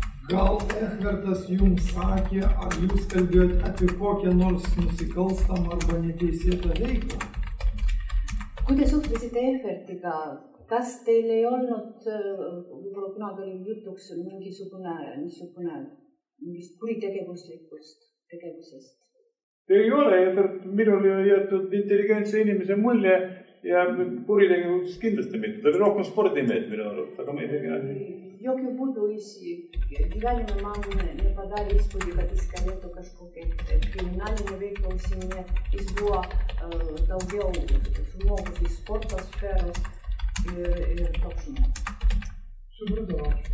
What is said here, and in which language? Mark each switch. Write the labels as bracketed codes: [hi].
[lt] Gal Ehvertas jums sakė, ar jūs kalbėjote apie kokią nors nusikalstamą arba neteisėtą veiklą? [et] Kui te suhtlesite Ehvertiga, kas teile ei olnud, kunagi oli jutuks mingisugune kuritegevuslikust tegevusest? Ei ole, Ehvert, minul on jäetud intelligentse inimese mulle ja kuritegevuslikust kindlasti mitte. Ta oli rohkem spordimeed minu arvult, aga ma ei tegea. [lt] Jokių būdų gyvenime man nepadarė įspūdį, kad jis galėtų kažkokį kriminalinį veiklą užsiminę. Jis buvo daugiau žmogus į sporto sferos ir toks žmogus. Supratau.